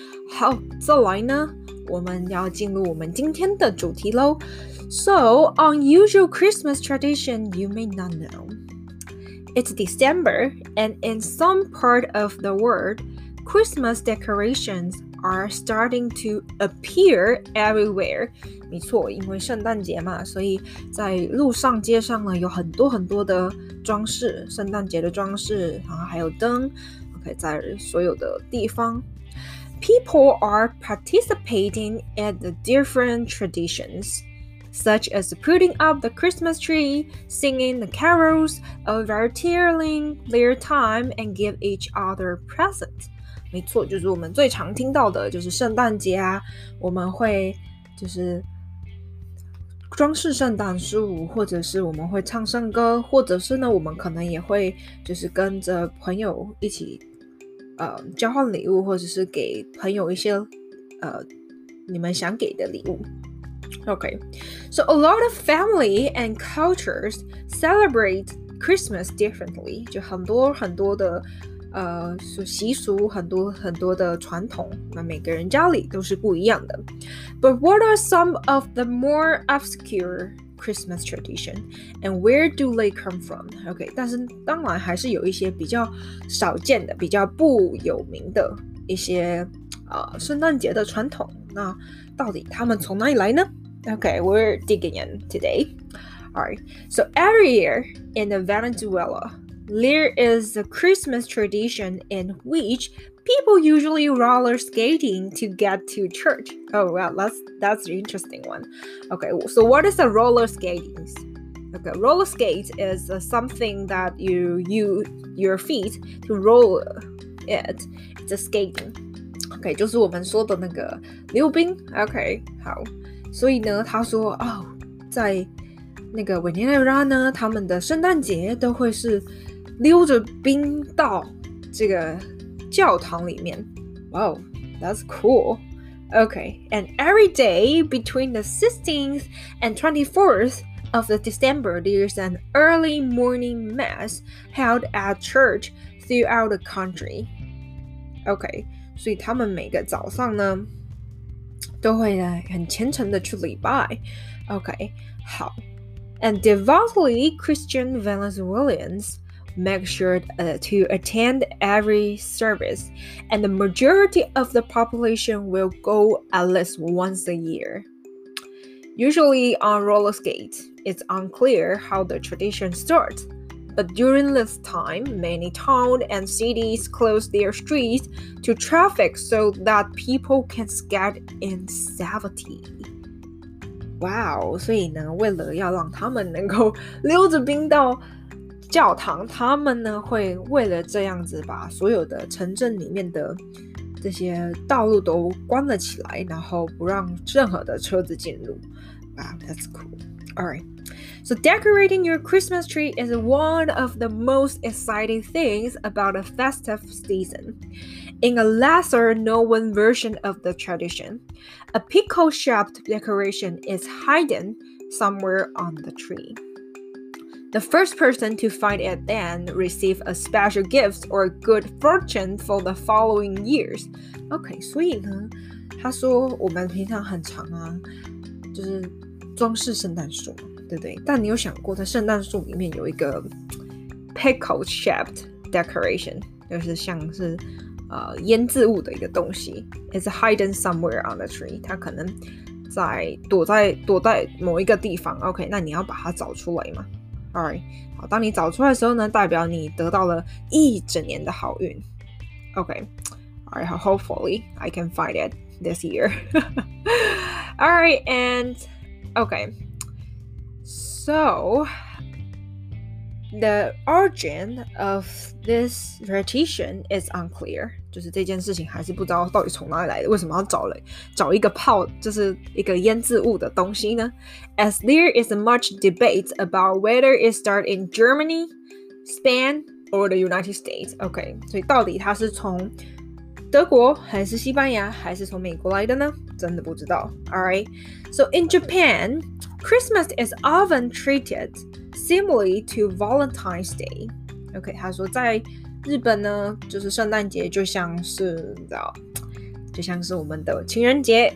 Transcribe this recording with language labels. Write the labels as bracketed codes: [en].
[zh] 好，再来呢，我们要进入我们今天的主题咯。 [en] So, unusual Christmas tradition you may not know. It's December, and in some part of the world, Christmas decorations are starting to appear everywhere. [zh] 没错，因为圣诞节嘛，所以在路上、街上呢，有很多很多的装饰，圣诞节的装饰，然后还有灯 ，OK， 在所有的地方。 [en] People are participating in the different traditions, such as putting up the Christmas tree, singing the carols, volunteering their time, and give each other presents. [zh] 没错，就是我们最常听到的，就是圣诞节啊，我们会就是装饰圣诞树，或者是我们会唱圣歌，或者是呢，我们可能也会就是跟着朋友一起。交换礼物或者是给朋友一些你们想给的礼物 [en] Okay, so a lot of family and cultures celebrate Christmas differently [zh] 就很多很多的习俗很多很多的传统那每个人家里都是不一样的 [en] But what are some of the more obscure Christmas tradition and where do they come from? [zh] Okay, 但是当然还是有一些比较少见的比较不有名的一些圣诞节的传统那到底他们从哪里来呢 [en] Okay, we're digging in today. Alright, so every year in Venezuela, there is a Christmas tradition in whichPeople usually roller skating to get to church. Oh, well, that's an interesting one. Okay, so what is a roller skating? Okay, roller skate is something that you use your feet to roll it. It's a skating. [zh] Okay, 就是我们说的那个溜冰。 Okay, 好。所以呢，他说，哦，在那个委内瑞拉呢，他们的圣诞节都会是溜着冰到这个教堂里面 [en] Wow, that's cool. Okay, and every day between the 16th and 24th of the December, there's an early morning mass held at church throughout the country. [zh] Okay, 所以他们每个早上呢都会很虔诚的去礼拜 [en] Okay, 好 And devoutly Christian Venezuelansmake sure to attend every service, and the majority of the population will go at least once a year. Usually on roller skates, it's unclear how the tradition starts, but during this time, many towns and cities close their streets to traffic so that people can skate in safety. [zh] Wow, 所以呢，为了要让他们能够溜着冰到教堂，他们呢会为了这样子把所有的城镇里面的这些道路都关了起来，然后不让任何的车子进入。 [en] Wow, that's cool. All right. So decorating your Christmas tree is one of the most exciting things about a festive season. In a lesser known version of the tradition, a pickle-shaped decoration is hidden somewhere on the tree. The first person to find it then receives a special gift or good fortune for the following years. [zh] Okay, 所以呢，他说我们平常很常啊，就是装饰圣诞树。对不对？但你有想过，在圣诞树里面有一个 [en] pickle shaped decoration， [zh] 就是像是腌制物的一个东西。 [en] It's hidden somewhere on the tree。 [zh] 它可能在躲在某一个地方。 OK， 那你要把它找出来嘛 ？All right， 好，当你找出来的时候呢，代表你得到了一整年的好运。 [en] OK，All right， hopefully I can find it this year 。 All right， and OK。 So, the origin of this tradition is unclear. [zh] 就是这件事情还是不知道到底从哪里来的，为什么要找一个泡，就是一个腌制物的东西呢？ [en] As there is much debate about whether it started in Germany, Spain, or the United States. [zh] Okay, 所以到底它是从德国还是西班牙还是从美国来的呢？真的不知道。 [en] All right, so in Japan,Christmas is often treated similarly to Valentine's Day. [zh] Okay, 他说在日本呢，就是圣诞节就像是你知道，就像是我们的情人节。